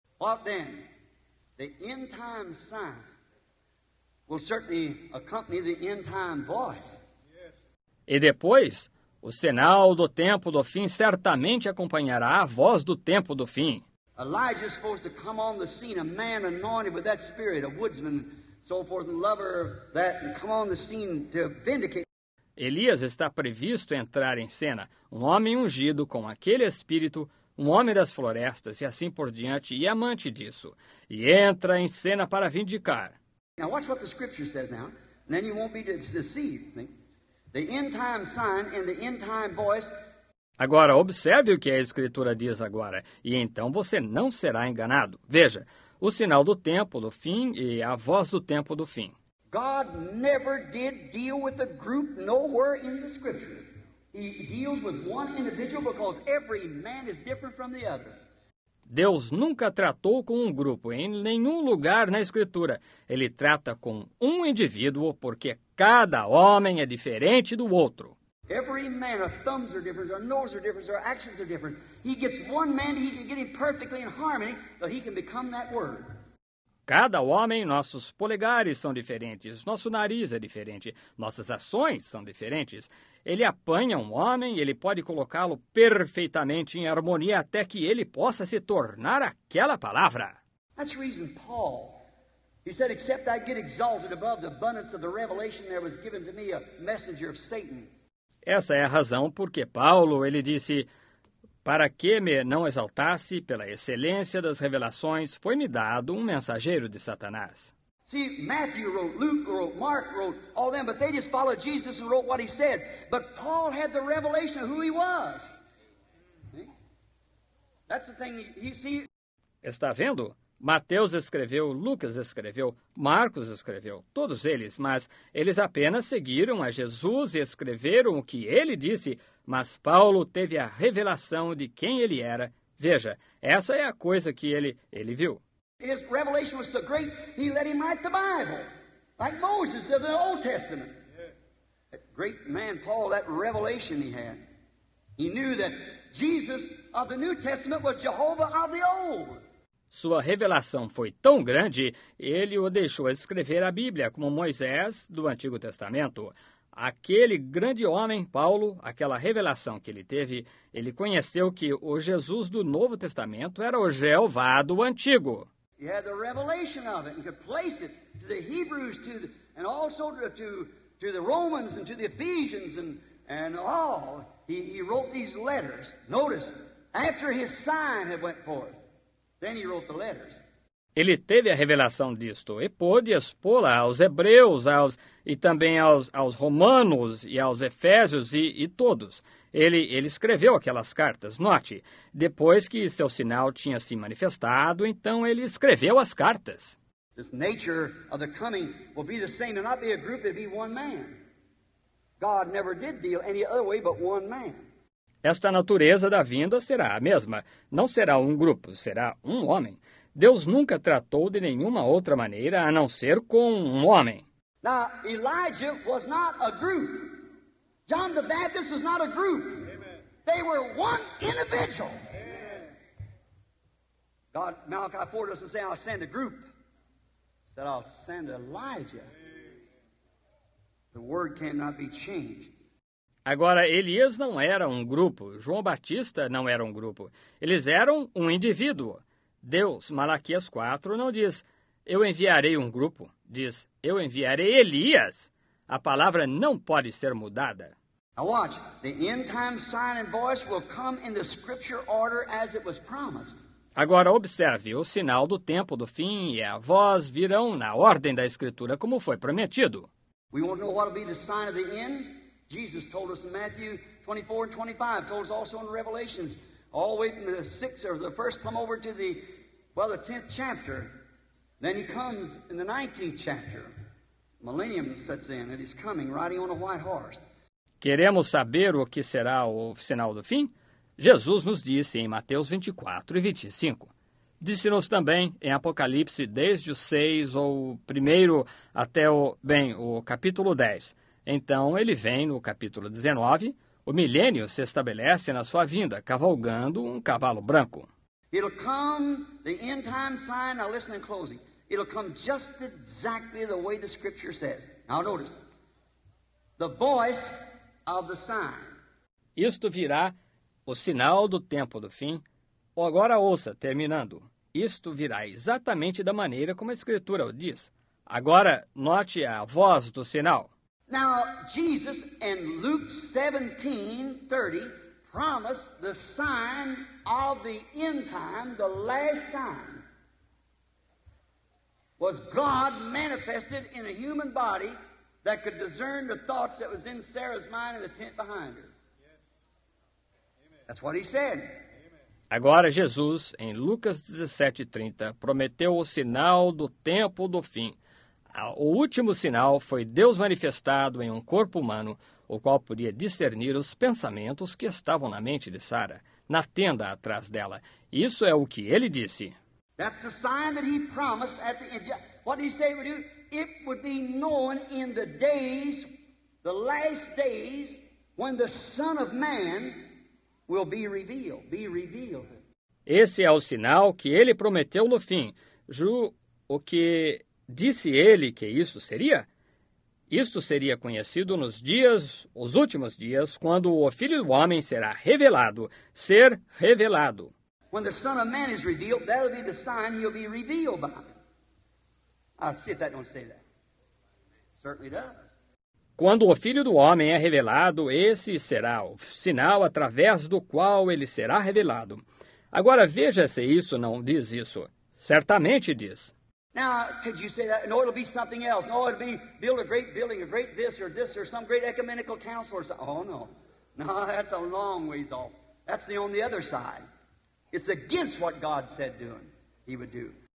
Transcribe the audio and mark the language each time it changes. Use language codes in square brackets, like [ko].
[en] What then? The end time sign will certainly accompany the end time voice. [pt] E depois, o sinal do tempo do fim certamente acompanhará a voz do tempo do fim. [en] Elijah's supposed to come on the scene, a man anointed with that spirit, a woodsman, so forth, and lover of that, and come on the scene to vindicate. [pt] Elias está previsto entrar em cena, um homem ungido com aquele espírito, um homem das florestas e assim por diante, e amante disso. E entra em cena para vindicar. [en] Now watch what the scripture says now, and then you won't be deceived. The end time sign and the end time voice. [pt] Agora, observe o que a Escritura diz agora, e então você não será enganado. Veja, o sinal do tempo do fim e a voz do tempo do fim. [en] God never did deal with a group nowhere in the Scripture. He deals with one individual because every man is different from the other. [pt] Deus nunca tratou com um grupo em nenhum lugar na Escritura. Ele trata com um indivíduo porque cada homem é diferente do outro. [en] Every man, our thumbs are different, our nose are different, our actions are different. He gets one man, he can get him perfectly in harmony, but he can become that word. [pt] Cada homem, nossos polegares são diferentes, nosso nariz é diferente, nossas ações são diferentes. Ele apanha um homem, ele pode colocá-lo perfeitamente em harmonia até que ele possa se tornar aquela palavra. [en] That's the reason Paul, he said, except I get exalted above the abundance of the revelation there was given to me a messenger of Satan. [pt] Essa é a razão porque Paulo, ele disse, para que me não exaltasse pela excelência das revelações, foi-me dado um mensageiro de Satanás. [en] See, Matthew wrote, Luke wrote, Mark wrote, all them, but they just followed Jesus and wrote what he said. But Paul had the revelation of who he was. That's the thing, you see. [pt] Está vendo? Mateus escreveu, Lucas escreveu, Marcos escreveu, todos eles, mas eles apenas seguiram a Jesus e escreveram o que ele disse, mas Paulo teve a revelação de quem ele era. Veja, essa é a coisa que ele viu. [en] His revelation was so great, he let him write the Bible, like Moses of the Old Testament. That great man Paul, that revelation he had. He knew that Jesus of the New Testament was Jehovah of the Old. [pt] Sua revelação foi tão grande, ele o deixou escrever a Bíblia como Moisés do Antigo Testamento. Aquele grande homem, Paulo, aquela revelação que ele teve, ele conheceu que o Jesus do Novo Testamento era o Jeová do Antigo. [en] He had the revelation of it and could place it to the Hebrews to the, and also to the Romans and to the Ephesians and all. He wrote these letters. Notice, after his sign had went forth. Then he wrote the letters. [pt] Ele teve a revelação disto e pôde expô-la aos hebreus e também aos romanos e aos efésios e todos. Ele escreveu aquelas cartas. Note, depois que seu sinal tinha se manifestado, então ele escreveu as cartas. [en] This nature of the coming will be the same. It'll not be a group, it'll be one man. God never did deal any other way but one man. [pt] Esta natureza da vinda será a mesma. Não será um grupo, será um homem. Deus nunca tratou de nenhuma outra maneira a não ser com um homem. [en] Now, Elijah was not a group. John the Baptist was not a group. Amen. They were one individual. Amen. God, Malachi 4 doesn't say, I'll send a group. It said, I'll send Elijah. Amen. The word cannot be changed. [pt] Agora, Elias não era um grupo, João Batista não era um grupo, eles eram um indivíduo. Deus, Malaquias 4, não diz, eu enviarei um grupo, diz, eu enviarei Elias. A palavra não pode ser mudada. [en] Now watch, the end time sign and voice will come in the scripture order as it was promised. [pt] Agora observe, o sinal do tempo do fim e a voz virão na ordem da escritura como foi prometido. [en] We won't know what will be the sign of the end. Jesus told us in Matthew 24 and 25, told us also in Revelations, all the way from the sixth or the first come over to the, well, the 10th chapter. Then he comes in the 19th chapter. Millennium sets in and he's coming, riding on a white horse. [pt] Queremos saber o que será o sinal do fim? Jesus nos disse em Mateus 24 e 25. Disse-nos também em Apocalipse desde o 6 ou primeiro até o, bem, o capítulo 10. Então, ele vem no capítulo 19, o milênio se estabelece na sua vinda, cavalgando um cavalo branco. [en] It'll come, the end time sign, now listen in closing. It'll come just exactly the way the scripture says. Now notice, the voice of the sign. [pt] Isto virá, o sinal do tempo do fim, Agora ouça, terminando. Isto virá exatamente da maneira como a Escritura o diz. Agora, note a voz do sinal. [en] Now, Jesus in Luke 17:30 promised the sign of the end time, the last sign, was God manifested in a human body that could discern the thoughts that was in Sarah's mind in the tent behind her. That's what he said. [pt] Agora Jesus, em Lucas 17:30, prometeu o sinal do tempo do fim. O último sinal foi Deus manifestado em um corpo humano, o qual podia discernir os pensamentos que estavam na mente de Sara, na tenda atrás dela. Isso é o que ele disse. [en] That's the sign that he promised at the end. What did he say it would do? It would be known in the days, the last days, when the Son of Man will be revealed. [pt] Esse é o sinal que ele prometeu no fim. O que disse ele que isso seria? Isto seria conhecido nos dias, os últimos dias, quando o Filho do Homem será revelado, ser revelado. [en] When the Son of Man is revealed, that will be the sign he'll be revealed by. I see if that don't say that. It certainly does. [pt] Quando o Filho do Homem é revelado, esse será o sinal através do qual ele será revelado. Agora veja se isso não diz isso. Certamente diz. [en] Now, could you say that? No, it'll be something else. No, it'll be build a great building, a great this or some great ecumenical council or something. Oh, no. No, that's a long ways off. That's on the other side. It's against what God said doing, he would do.